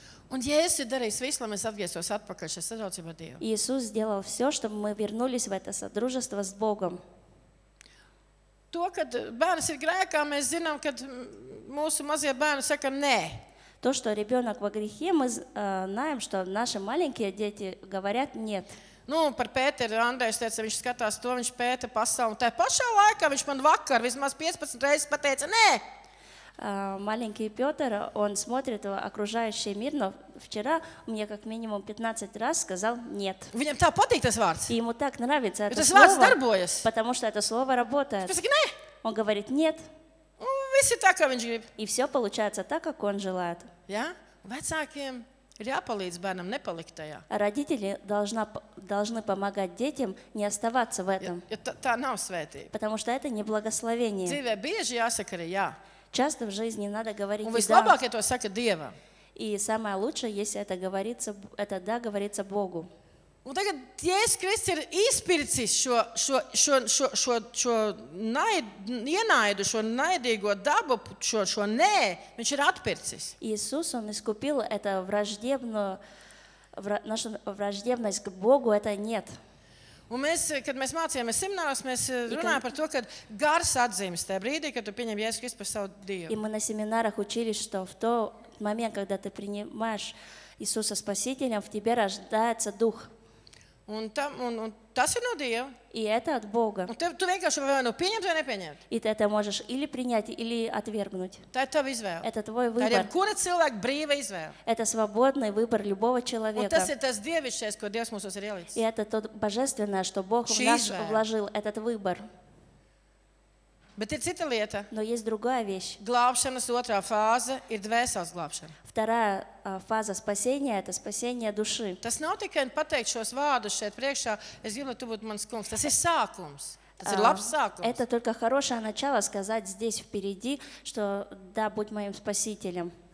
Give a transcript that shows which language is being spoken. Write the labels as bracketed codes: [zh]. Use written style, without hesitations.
[lv] Un Jēzus ir darījis visu, lai mēs atgrieztos atpakaļ šajā sadraudzībā ar Dievu. [ru] Jēzus sdelal vse, čtob mi vērnulis v eto sadružestvo s Bogom. [lv] To, kad bērns ir grēkā, mēs zinām, ka mūsu mazie bērni saka nē. [ru] To, što ребенок во грехе, мы знаем, что наши маленькие дети говорят нет. [lv] Nu, par Pēteru Andrejs teica, viņš skatās to, viņš pēta pasauli. Tā pašā laikā viņš man vakar vismaz 15 reizes pateica nē. [ru] Маленький Петр, он смотрит в окружающий мир, но вчера мне как минимум 15 раз сказал нет. [lv] Viņam tā patīk tas vārds. [ru] И ему так нравится это слово. [lv] Tas vārds darbojas. [ru] Потому что это слово работает. [lv] Pasaka, nē. [ru] Он говорит нет. [lv] Un visi tā, kā viņš grib. [ru] И все получается так, как он желает. [lv] Ja? Vecākiem ir jāpalīdz bērnam nepalikt tajā. [ru] Родители должны помогать детям не оставаться в этом. [lv] Tā nav svētība. [ru] Потому что это не благословение. [lv] Dzīvē bieži jāsaka arī jā. [ru] Часто в жизни надо говорить да. [lv] Un vislabāk, ja to saka Dievam. [ru] И самое лучшее, если это говорится, это да, говорится Богу. [lv] Un tagad Jēzus Kristus ir izpircis šo ienaidu, šo naidīgo dabu, šo nē, viņš ir atpircis. [ru] Jēzus, он искупил это враждебную, нашу враждебность к Богу, это нет. [lv] Un mēs, kad mēs mācījāmies seminārās, mēs runājām par to, ka gars atzīmes tajā brīdī, kad tu pieņem Jēzus Kristu par savu Dievu. [ru] И мы на семинарах учили, что в тот момент, когда ты принимаешь Иисуса Спасителя, в тебе рождается дух. [lv] Un, tam, un, un tas ir no Dieva. [ru] И это от Бога. [lv] Un tev, tu vienkārši vai nu pieņemt vai nepieņemt. [ru] И ты это можешь или принять, или отвергнуть. [lv] Tā ir tava izvēle. [ru] Это твой выбор. [lv] Tā ir kura cilvēka brīva izvēle. [ru] Это свободный выбор любого человека. [lv] Un tas ir tas dievišķais, ko Dievs mūsos ir ielicis. [ru] И это то божественное, что Бог в нас вложил, этот выбор. [lv] Bet ir cita lieta. [ru] Но есть другая вещь. [lv] Glābšanas otrā fāze ir dvēseles glābšana. [ru] Вторая фаза спасения это спасение души. [lv] Tas nav tikai pateikt šos vārdus šeit priekšā, es gribu, lai tu būtu mans kungs. Tas ir sākums. Tas ir labs sākums. [ru] Это только хорошее начало сказать здесь впереди, что да, будь моим спасителем.